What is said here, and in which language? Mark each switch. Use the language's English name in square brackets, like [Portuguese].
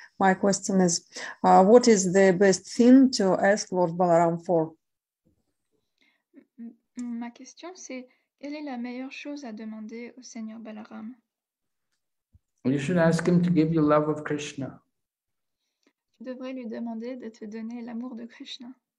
[English] My question is, what is the best thing to ask Lord Balaram for? [French] Ma question, c'est quelle est la meilleure chose à demander au Seigneur Balaram? [English] You should ask him to give you love of Krishna. [French] Tu devrais lui demander de te donner l'amour de Krishna.